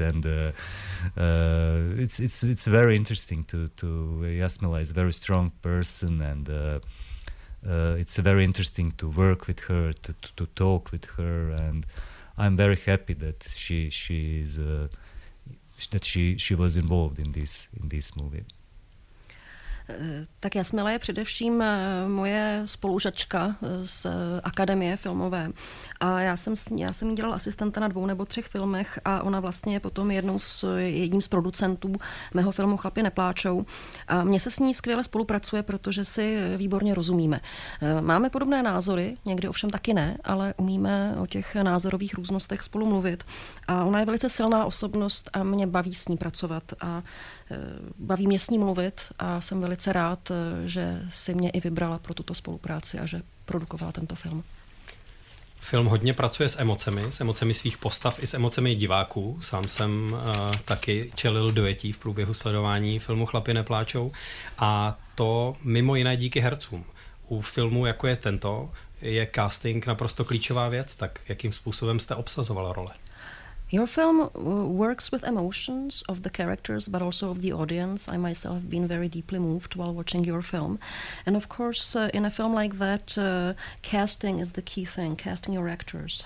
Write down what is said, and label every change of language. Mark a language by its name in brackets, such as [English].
[English] And it's very interesting to Jasmila is a very strong person, and it's very interesting to work with her, to talk with her, and I'm very happy that she is that she was involved in this movie. [Czech] Tak Jasmila je především moje spolužačka z Akademie filmové. A já jsem jí dělala asistenta na dvou nebo třech filmech a ona vlastně je potom jedním z producentů mého filmu Chlapi nepláčou. A mně se s ní skvěle spolupracuje, protože si výborně rozumíme. Máme podobné názory, někdy ovšem taky ne, ale umíme o těch názorových různostech spolu mluvit. A ona je velice silná osobnost a mě baví s ní pracovat. A baví mě s ní mluvit a jsem velice rád, že si mě i vybrala pro tuto spolupráci a že produkovala tento film. Film hodně pracuje s emocemi svých postav i s emocemi diváků. Sám jsem taky čelil dojetí v průběhu sledování filmu Chlapi nepláčou, a to mimo jiné díky hercům. U filmu, jako je tento, je casting naprosto klíčová věc, tak jakým způsobem jste obsazovala role? [English] Your film works with emotions of the characters, but also of the audience. I myself have been very deeply moved while watching your film. And of course, in a film like that, casting is the key thing, casting your actors.